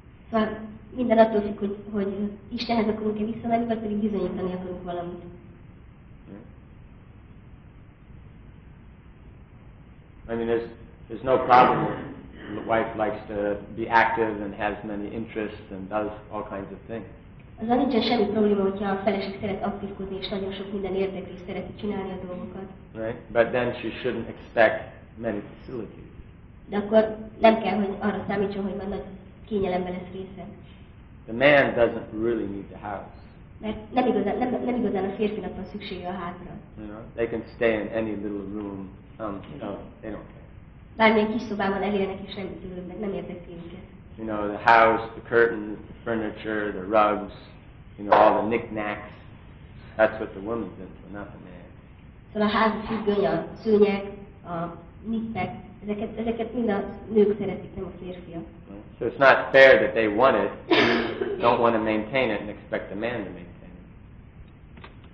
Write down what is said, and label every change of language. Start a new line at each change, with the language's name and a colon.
Hungarian: Szóval minden attól függ, hogy Istenhez akarunk-e visszamenni, vagy pedig bizonyítani akarunk valamit.
English: I mean, there's no problem if the wife likes to be active and has many interests and does all kinds of things.
Hungarian: Azzal nincsen semmi probléma, hogyha a feleség szeret aktívkodni és nagyon sok minden érdekli, szereti csinálni a dolgokat.
English: Right? But then she shouldn't expect many facilities.
Hungarian: De akkor nem kell, hogy arra számítson, hogy már nagy kényelemben lesz része.
English: The man doesn't really need the house.
Hungarian: Mert nem igazán a férfinak van szüksége a házra.
English: You know, they can stay in any little room. They don't care.
Hungarian: Bármilyen kis szobában elérnek és semmit különbek, nem érdekli őket.
English: You know, the house, the curtains, the furniture, the rugs, you know, all the knick-knacks. That's what the woman's into, not the man.
Hungarian: So a házi függöny, a szőnyeg, a knick-knack, ezeket mind a nők szeretik, nem a férfia.
English: So it's not fair that they want it, don't want to maintain it, and expect the man to maintain it.